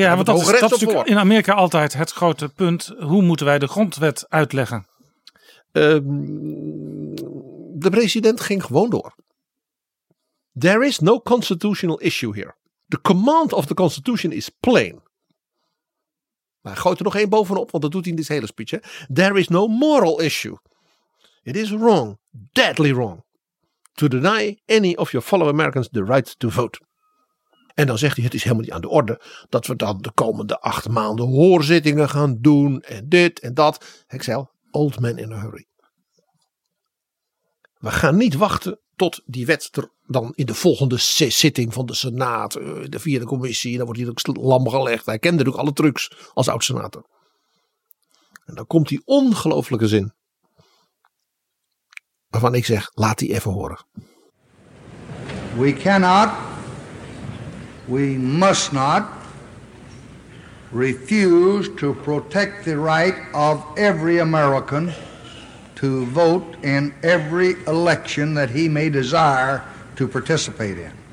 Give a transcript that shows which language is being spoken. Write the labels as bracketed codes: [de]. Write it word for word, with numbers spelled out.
[nl] Ja, want dat is, dat is natuurlijk in Amerika altijd het grote punt. Hoe moeten wij de grondwet uitleggen? Uh, de president ging gewoon door. [en] There is no constitutional issue here. The command of the constitution is plain. [nl] Maar hij gooit er nog één bovenop, want dat doet hij in dit hele speech. Hè? [en] There is no moral issue. It is wrong, deadly wrong, to deny any of your fellow Americans the right to vote. [nl] En dan zegt hij, het is helemaal niet aan de orde dat we dan de komende acht maanden hoorzittingen gaan doen en dit en dat. Ik zei al, [en] old man in a hurry. [nl] We gaan niet wachten tot die wet er dan in de volgende zitting van de Senaat, de vierde commissie, dan wordt hij natuurlijk lam gelegd. Hij kende natuurlijk alle trucs als oud-senator. En dan komt die ongelooflijke zin. Waarvan ik zeg, laat die even horen. [en] We cannot, we must not refuse to protect the right of every American to vote in every election that he may desire to participate in.